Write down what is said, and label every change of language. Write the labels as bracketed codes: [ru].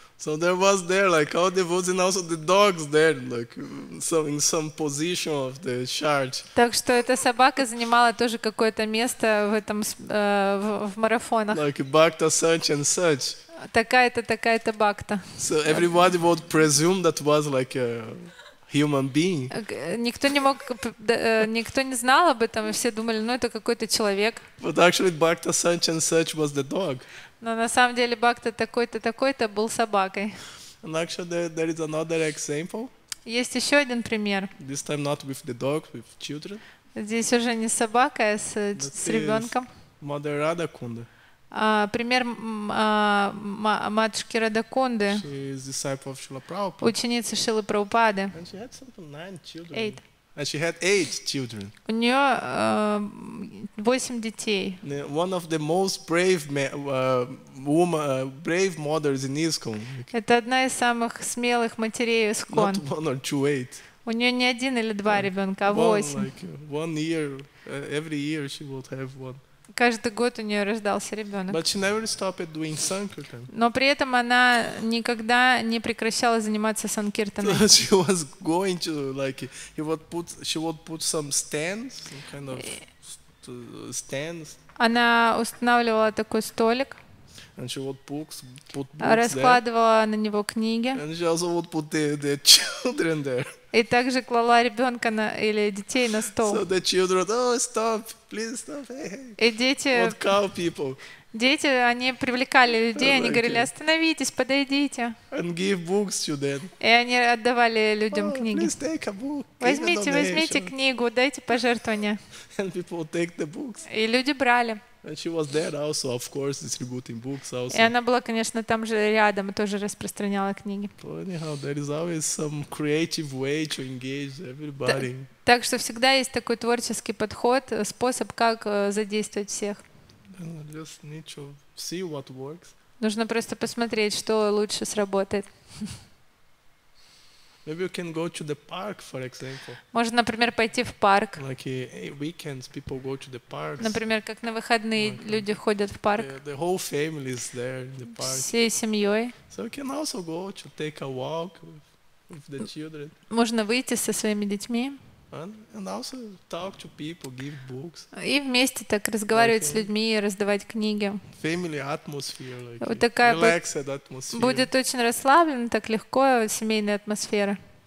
[en] So there was there like all the devotees and also the dogs there like some in some position of the charge. [ru] Так что эта собака занимала тоже какое-то место в этом в марафонах. [en] Like Bhakta such and such. [ru] Такая-то такая-то Бхакта. [en] So everybody would presume that was like a human being. [ru] Никто не мог никто не знал об этом, и все думали, ну это какой-то человек. [en] But actually Bhakta such and such was the dog. [ru] Но на самом деле Бхакта такой-то такой-то был собакой. [en] And actually, there is another example. [ru] Есть еще один пример. [en] This time not with the dog, with children. [ru] Здесь уже не собака, а с ребенком. [en] Mother Radhakunda. [ru] Пример матушки Радхакунды. [en] She is disciple of Srila Prabhupada. [ru] Ученица Шрилы Прабхупады. [en] And she had something 9 children. 8. And she had 8 children. [ru] У неё 8 детей. [en] One of the most brave brave mothers in ISKCON. [ru] Это одна из самых смелых матерей ISKCON. [en] Not one or two, 8. [ru] У неё не один или два ребёнка, а 8. [en] Like one year, every year she would have one. [ru] Каждый год у неё рождался ребёнок. [en] But she never stopped doing sankirtan. [ru] Но при этом она никогда не прекращала заниматься санкиртаной. [en] So she was going to like she would put some stands, some kind of stands. [ru] Она устанавливала такой столик. [en] And she would put books. [ru] Раскладывала на него книги. [en] And she also would put the children there. [ru] И также клала ребенка на или детей на стол. [en] So the children, oh, stop, please stop. Hey, [ru] и дети. [en] Would call people. [ru] Дети, они привлекали людей, они говорили, остановитесь, подойдите. [en] And give books to them. [ru] И они отдавали людям книги. [en] Please take a book. [ru] Возьмите, возьмите книгу, дайте пожертвование. [en] And people would take the books. [ru] И люди брали. [en] And she was there also, of course, distributing books also. [ru] И она была, конечно, там же рядом, тоже распространяла книги. [en] But anyhow, there is always some creative way to engage everybody. [ru] Так что всегда есть такой творческий подход, способ, как задействовать всех. [en] Just need to see what works. [ru] Нужно просто посмотреть, что лучше сработает. [en] Maybe you can go to the park, for example. [ru] Можно, например, пойти в парк. [en] Like weekends, people go to the parks. [ru] Например, как на выходные люди ходят в парк. [en] The whole family is there in the park. [ru] Всей семьей. [en] So you can also go to take a walk with the children. [ru] Можно выйти со своими детьми. [en] And also talk to people, give books. [ru] И вместе так разговаривать с людьми, раздавать книги. [en] Family atmosphere, like [ru] вот такая [en] relaxed atmosphere. [ru] Будет очень расслаблено, так легко, семейная атмосфера.